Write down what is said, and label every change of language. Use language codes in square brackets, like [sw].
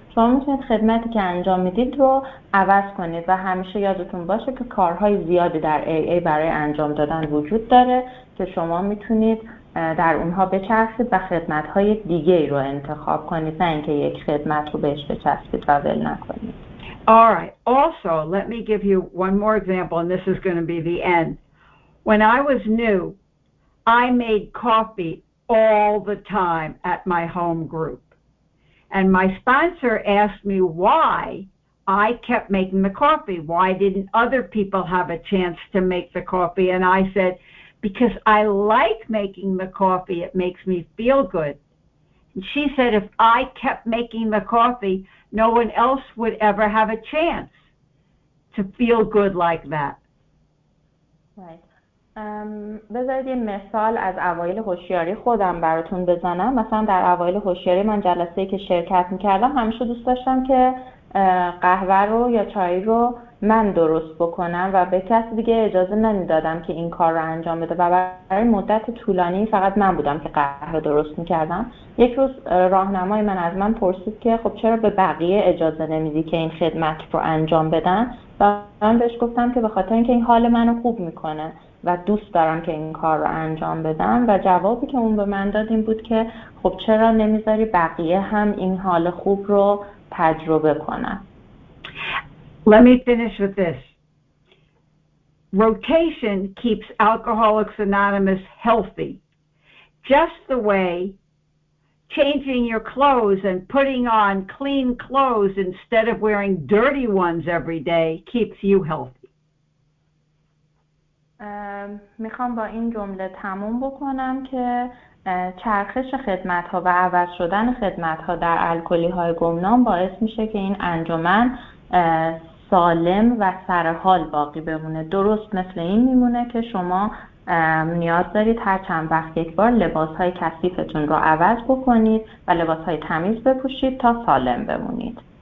[fa] شما میتونید خدمتی که انجام میدید رو عوض کنید و همیشه یادتون باشه که کارهای زیادی در AA برای انجام دادن وجود داره که شما میتونید در اونها بچسبید و خدمت‌های دیگه ای رو انتخاب کنید نه اینکه یک خدمت رو بهش بچسبید و ول نکنید. [en] All right. Also, let me give you one more example, and this is going to be the end. When I was new, I made coffee all the time at my home group. And my sponsor asked me why I kept making the coffee. Why didn't other people have a chance to make the coffee? And I said, because I like making the coffee, it makes me feel good. And she said, if I kept making the coffee, no one else would ever have a chance to feel good like that. Right. [fa] بذارید یه مثال از اوایل هوشیاری خودم براتون بزنم. مثلا در اوایل هوشیاری من جلسه‌ای که شرکت می‌کردم همیشه دوست داشتم که قهوه رو یا چای رو من درست بکنم و به کسی دیگه اجازه نمیدادم که این کار رو انجام بده و برای مدت طولانی فقط من بودم که قهوه درست میکردم. یک روز راهنمای من از من پرسید که خب چرا به بقیه اجازه نمیدی که این خدمت رو انجام بدن و من بهش گفتم که به خاطر اینکه این حال منو خوب میکنه و دوست دارم که این کار رو انجام بدم و جوابی که اون به من داد این بود که خب چرا نمیذاری بقیه هم این حال خوب رو تجربه کنن. [en] Let me finish with this. Rotation keeps Alcoholics Anonymous healthy. Just the way changing your clothes and putting on clean clothes instead of wearing dirty ones every day keeps you healthy. [fa] میخوام با این جمله تموم بکنم که چرخش خدمت ها و عوض شدن خدمت ها در الکلی های گمنام باعث میشه که این انجمن سالم و سرحال باقی بمونه. درست مثل این میمونه که شما نیاز دارید هر چند وقت یک بار لباس های کثیفتون رو عوض بکنید و لباس های تمیز بپوشید تا سالم بمونید.